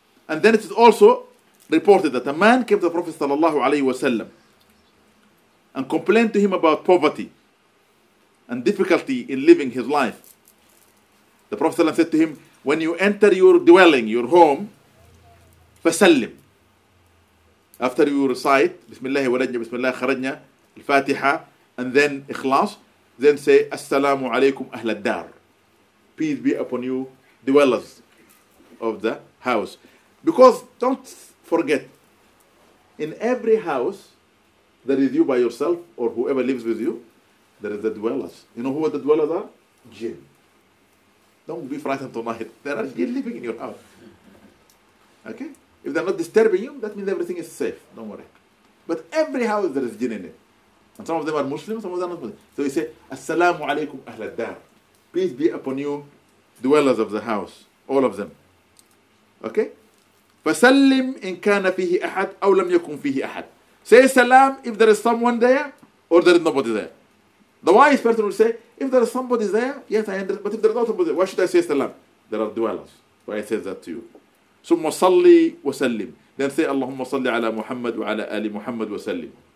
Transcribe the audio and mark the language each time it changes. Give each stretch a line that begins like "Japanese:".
English: And then it is also reported that a man came to the Prophet sallallahu alaihi wasallam and complained to him about poverty and difficulty in living his life. The Prophet ﷺ said to him, when you enter your dwelling, your home, فسلم. After you recite
Arabic: بسم الله ولدنا بسم الله خرجنا الفاتحة and then إخلاص,
English: then say
Arabic: السلام عليكم أهل الدار.
English: Peace be upon you, dwellers of the house. Because don't forget, in every house that is you by yourself or whoever lives with you, there is the dwellers. You know who the dwellers are? Jinn. Don't be frightened tonight. There are jinn living in your house. Okay? If they're not disturbing you, that means everything is safe. Don't worry. But every house, there is jinn in it. And some of them are Muslim, some of them are not Muslim. So you say,
Arabic: Assalamu alaikum ahl al-dar.
English: Peace be upon you, dwellers of the house. All of them. Okay?
Arabic: فَسَلِّمْ إِنْ كَانَ فِيهِ أَحَدْ أَوْ لَمْ يَكُنْ فِيهِ أَحَدْ.
English: Say salam if there is someone there or there is nobody there. The wise person will say, if there is somebody there, yes, I understand. But if there is not somebody there, why should I say salam? There are dwellers. Why I say that to you?
Arabic: ثُمَّ صَلِّي وَسَلِّمْ.
English: Then say,
Arabic: اللهم صلِّ على محمد وعلى آل محمد وسلِّم.